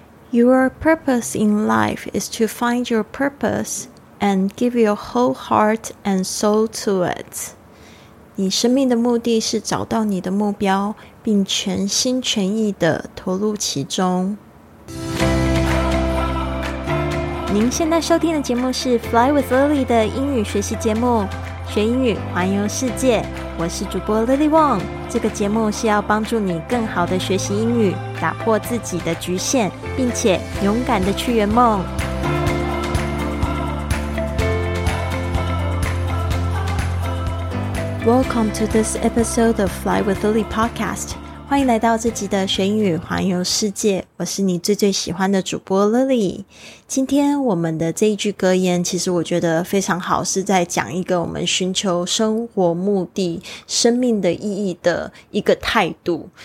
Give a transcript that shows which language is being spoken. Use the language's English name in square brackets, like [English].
[English] Your purpose in life is to find your purpose and give your whole heart and soul to it. [Chinese] 你生命的目的是找到你的目标，并全心全意地投入其中。您现在收听的节目是 Fly with Lily 的英语学习节目，学英语，环游世界。我是主播 Lily Wong。这个节目是要帮助你更好地学习英语，打破自己的局限，并且勇敢地去圆梦。 [English] Welcome to this episode of Fly with Lily podcast. [Chinese] 欢迎来到这集的学英语环游世界，我是你最最喜欢的主播 Lily。今天我们的这一句格言其实我觉得非常好，是在讲一个我们寻求生活目的、生命的意义的一个态度。